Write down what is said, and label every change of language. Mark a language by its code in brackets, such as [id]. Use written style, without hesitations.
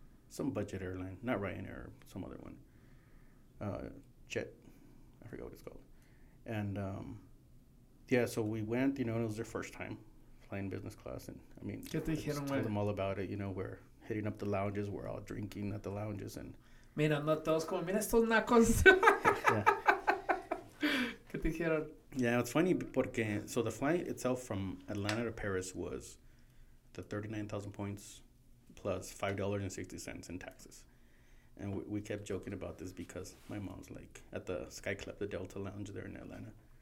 [en] Some budget airline, not Ryanair, some other one. Jet, I forget what it's called, and yeah, so we went, you know, it was their first time flying business class, and I mean, get to I just told them all about it, you know, we're hitting up the lounges, we're all drinking at the lounges, and [es] mira, no todos como, mira estos nacos. [en] Yeah, it's funny, [es] porque, [en] so the flight itself from Atlanta to Paris was the 39,000 points plus $5.60 in taxes. And we kept joking about this because my mom's like at the Sky Club, the Delta Lounge there in Atlanta.